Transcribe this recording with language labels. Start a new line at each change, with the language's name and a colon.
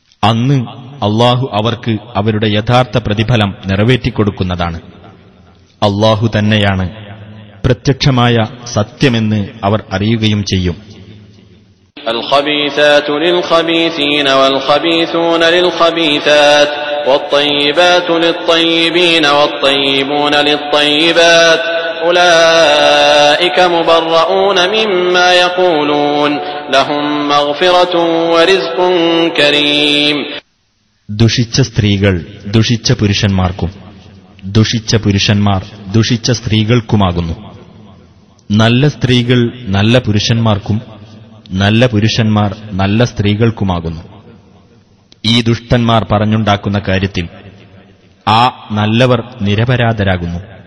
Malayalam: അന്ന് അല്ലാഹു അവർക്ക് അവരുടെ യഥാർത്ഥ പ്രതിഫലം നിറവേറ്റിക്കൊടുക്കുന്നതാണ്. അല്ലാഹു തന്നെയാണ് പ്രത്യക്ഷമായ സത്യമെന്ന് അവർ അറിയുകയും ചെയ്യും.
Arabic: الخبيثات للخبيثين والخبيثون للخبيثات والطيبات للطيبين والطيبون للطيبات أولئك مبرؤون مما يقولون لهم مغفرة ورزق كريم.
Malayalam: ദുഷിച്ച സ്ത്രീകൾ ദുഷിച്ച പുരുഷന്മാർക്കും ദുഷിച്ച പുരുഷന്മാർ ദുഷിച്ച സ്ത്രീകൾക്കുമാകുന്നു. നല്ല സ്ത്രീകൾ നല്ല പുരുഷന്മാർക്കും നല്ല പുരുഷന്മാർ നല്ല സ്ത്രീകൾക്കുമാകുന്നു. ഈ ദുഷ്ടന്മാർ പറഞ്ഞുണ്ടാക്കുന്ന കാര്യത്തിൽ ആ നല്ലവർ നിരപരാധരാകുന്നു.